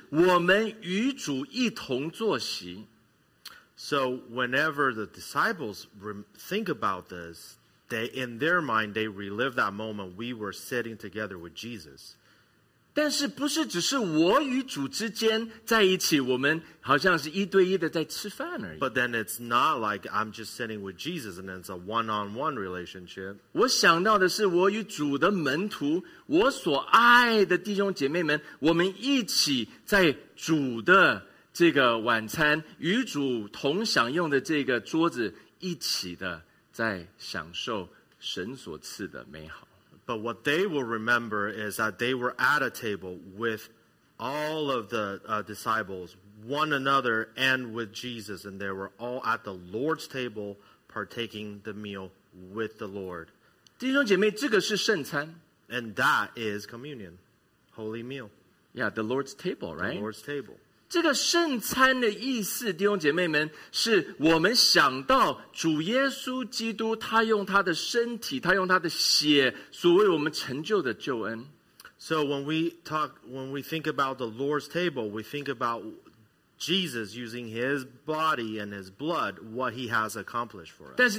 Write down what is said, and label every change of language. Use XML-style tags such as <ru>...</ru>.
<zh>弟兄姐妹,他们回想到的,这个门徒们回想到的情景是我们与主一同坐席。</zh> <en>So whenever the disciples think about this, they in their mind, they relive that moment we were sitting together with Jesus.</en> <zh>但是不是只是我与主之间在一起,我们好像是一对一的在吃饭而已。</zh> <en>But then it's not like I'm just sitting with Jesus and it's a one-on-one relationship.</en> <zh>我想到的是我与主的门徒,我所爱的弟兄姐妹们,我们一起在主的 这个晚餐与主同享用的这个桌子一起的在享受神所赐的美好。</zh> <en>But what they will remember is that they were at a table with all of the disciples, one another, and with Jesus, and they were all at the Lord's table partaking the meal with the Lord.</en> <zh>弟兄姐妹,这个是圣餐。</zh> <en>And that is communion, holy meal. Yeah, the Lord's table, right? The Lord's table.</en> <zh>这个圣餐的意思，弟兄姐妹们，是我们想到主耶稣基督，他用他的身体，他用他的血，所为我们成就的救恩。</zh> <en>So when we think about the Lord's table, we think about Jesus using His body and His blood, what He has accomplished for us.</en>